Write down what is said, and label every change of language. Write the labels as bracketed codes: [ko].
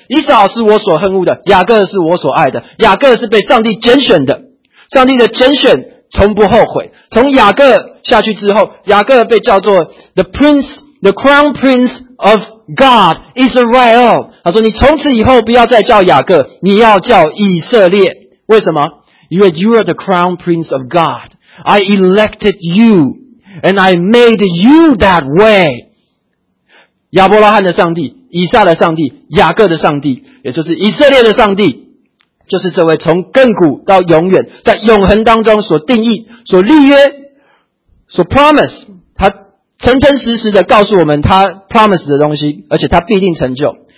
[zh] 以扫是我所恨恶的，雅各是我所爱的。雅各是被上帝拣选的，上帝的拣选从不后悔。从雅各下去之后，雅各被叫做 [en] the prince, the crown prince of God, [zh] Israel。他说你从此以后不要再叫雅各，你要叫以色列。为什么？因为 [en] you are the crown prince of God, I elected youAnd I made you that way. [zh] 亚伯拉罕的上帝、以撒的上帝、雅各的上帝，也就是以色列的上帝，就是这位从亘古到永远，在永恒当中所定义、所立约、所 promise， 他诚诚实实的告诉我们他 promise 的东西，而且他必定成就。